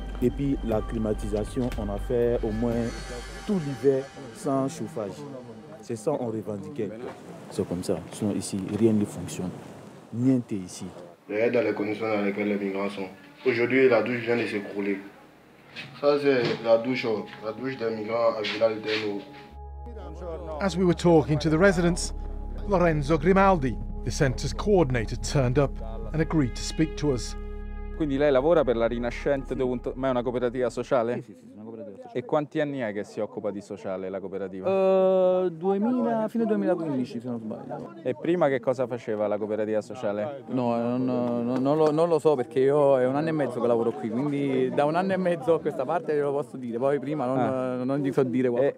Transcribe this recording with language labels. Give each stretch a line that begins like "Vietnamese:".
French: Et puis la climatisation, on a fait au moins tout l'hiver sans chauffage. C'est ça qu'on revendiquait. C'est comme ça. Sinon ici, rien ne fonctionne. Niente ici. Regarde dans les conditions dans lesquelles les migrants sont. Aujourd'hui, la douche vient de s'écrouler. Ça, c'est la douche des migrants à Villa Literno.
English: As we were talking to the residents, Lorenzo Grimaldi, the center's coordinator, turned up and agreed to speak to us.
Italian: Quindi lei lavora per la Rinascente, ma è una cooperativa sociale? Sì, una cooperativa sociale. E quanti anni è che si occupa di sociale la cooperativa? Fino al 2015, se non sbaglio. E prima che cosa faceva la cooperativa sociale? No, non lo so perché io è un anno e mezzo che lavoro qui, quindi da un anno e mezzo a questa parte glielo posso dire, poi prima non gli so dire qualcosa.